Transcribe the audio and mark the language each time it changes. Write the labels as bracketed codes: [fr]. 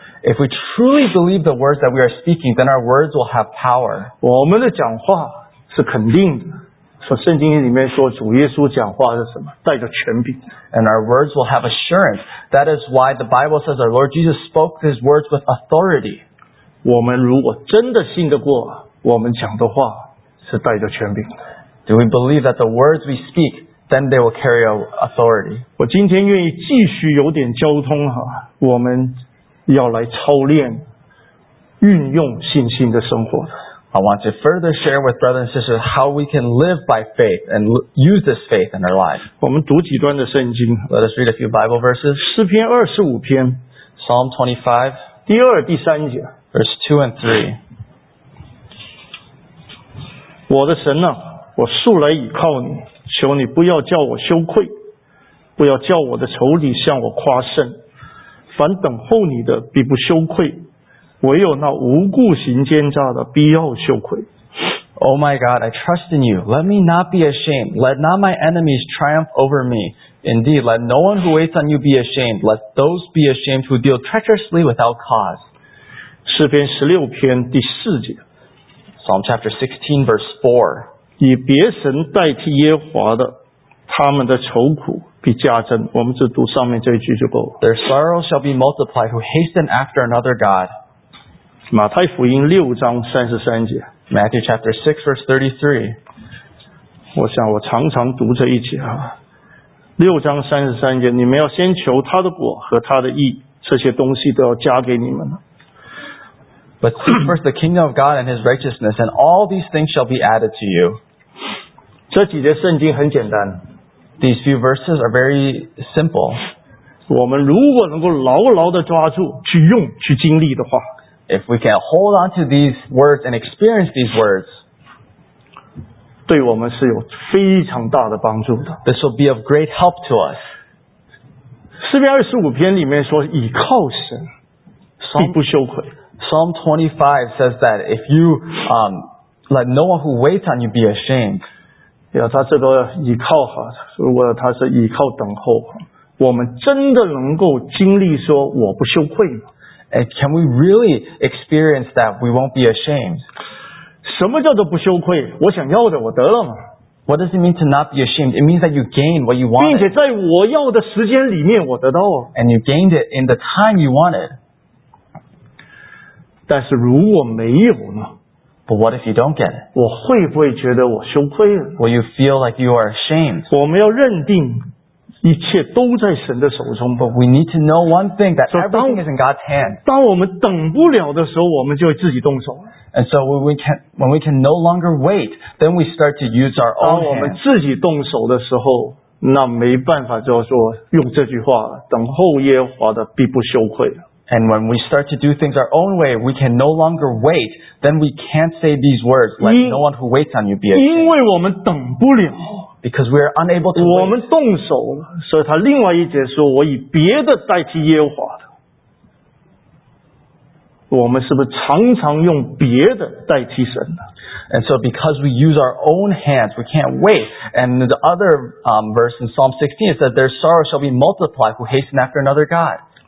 [en] If we truly believe the words that we are speaking, then our words will have power. [zh] 我们的讲话是肯定的。说圣经里面说主耶稣讲话是什么？带着权柄。 [en] And our words will have assurance. That is why the Bible says our Lord Jesus spoke his words with authority. [zh] 我们如果真的信得过，我们讲的话是带着权柄的。 [en] Do we believe that the words we speak, then they will carry authority? [zh] 我今天愿意继续有点交通哈，我们要来操练运用信心的生活的。 [en] I want to further share with brothers and sisters how we can live by faith and use this faith in our lives. [zh] 我们读几段的圣经。 [en] Let us read a few Bible verses. [zh] 诗篇二十五篇。 [en] Psalm 25. [zh] 第二、第三节。 [en] Verse 2 and 3. [zh] 我的神啊，我素来倚靠你，求你不要叫我羞愧，不要叫我的仇敌向我夸胜。凡等候你的必不羞愧，唯有那无故行奸诈的必要羞愧。 [en] Oh my God, I trust in you. Let me not be ashamed. Let not my enemies triumph over me. Indeed, let no one who waits on you be ashamed. Let those be ashamed who deal treacherously without cause. [zh] 诗篇十六篇第四节。 [en] Psalm chapter 16 verse 4. [zh] 以别神代替耶和华的，他们的愁苦比加增。我们只读上面这一句就够。 [en] Their sorrow shall be multiplied who hasten after another God. [zh] 马太福音六章三十三节。 [en] Matthew chapter 6 verse 33. [zh] 我想我常常读这一节啊。六章三十三节，你们要先求他的果和他的义，这些东西都要加给你们。 [en] But seek first the kingdom of God and his righteousness, and all these things shall be added to you. [zh] 这几节圣经很简单。 [en] These few verses are very simple. [zh] 我们如果能够牢牢地抓住，去用，去经历的话， [en] If we can hold on to these words and experience these words, [zh] 对我们是有非常大的帮助的。 [en] This will be of great help to us. [zh] 诗篇二十五篇里面说，倚靠神，必不羞愧。 [en] Psalm 25 says that if you let no one who waits on you be ashamed. [zh] 要他这个依靠哈，如果他是依靠等候，我们真的能够经历说我不羞愧吗？ [en] And can we really experience that we won't be ashamed? [zh] 什么叫做不羞愧？我想要的我得了吗？ [en] What does it mean to not be ashamed? It means that you gain what you want. [zh] 并且在我要的时间里面我得到啊。 [en] And you gained it in the time you wanted. [zh] 但是如果没有呢？ [en] But what if you don't get it? [zh] 我会不会觉得我羞愧了？ [en] Will you feel like you are ashamed? [zh] 我们要认定一切都在神的手中。 [en] But we need to know one thing, that everything is in God's hand. [zh] 当我们等不了的时候，我们就自己动手。 [en] And so when we can no longer wait, then we start to use our own hands. [zh] 当我们自己动手的时候，那没办法就说用这句话了，等候耶和华的必不羞愧。 [en] And when we start to do things our own way, we can no longer wait, then we can't say these words, let no one who waits on you be ashamed. [zh] 因为我们等不了。 [en] Because we are unable to wait. [zh] 我们动手了，所以他另外一节说，我以别的代替耶和华的。我们是不是常常用别的代替神呢？ [en] And so because we use our own hands, we can't wait. And the other verse in Psalm 16 is that their sorrow shall be multiplied who hasten after another God.